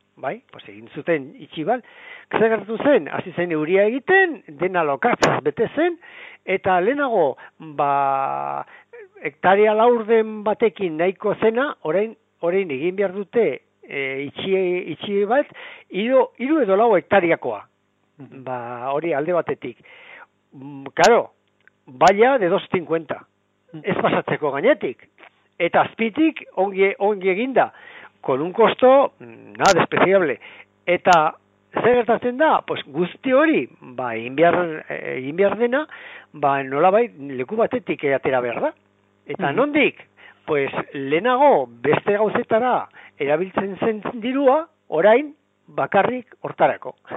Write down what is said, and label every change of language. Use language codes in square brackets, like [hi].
[eu] Bai, pues egin zuten itxibal. Zer gertatu zen, hasi zen euria egiten, dena lokatzaz bete zen, eta lehenago, ba, hektarea laurden batekin nahiko zena, orain egin behar dute itxi bat, hiru edo lau hektariakoa. Ba, hori alde batetik. Claro, baia de 250. Ez pasatzeko gainetik. Eta azpitik ongi eginda. [es] Con un costo nada despreciable. [eu] Eta zer gertatzen da? Pues guzti hori, ba, inbiar dena, ba, nolabait leku batetik atera behar da. Eta nondik? Pues lehenago beste gauzetara erabiltzen zen dirua, orain bakarrik hortarako.